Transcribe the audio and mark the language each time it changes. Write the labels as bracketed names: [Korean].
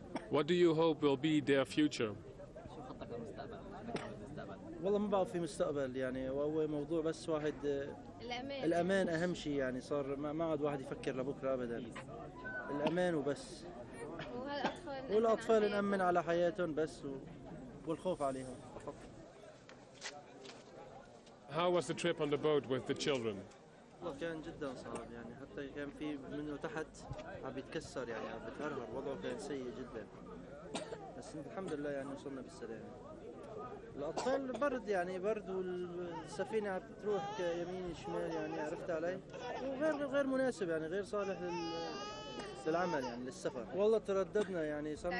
[English] What do you hope will be their future? [Arabic] والله ما بعرف في مستقبل يعني هو موضوع بس واحد الأمان. الأمان أهم شيء يعني صار ما عاد واحد يفكر لبكرة أبدا الأمان وبس والأطفال نأمن على حياتهم بس والخوف عليهم. [English] How was the trip on the boat with the children? [Arabic] كان جدا صعب يعني حتى كان في منه تحت عم بيتكسر يعني عم بتهرهر وضعه كان سيء جدا بس الحمد لله يعني وصلنا بالسلامة الأطفال برد يعني برد والسفينة عم بتروح يمين شمال يعني عرفت علي وغير مناسب يعني غير صالح للعمل يعني للسفر والله ترددنا يعني صرنا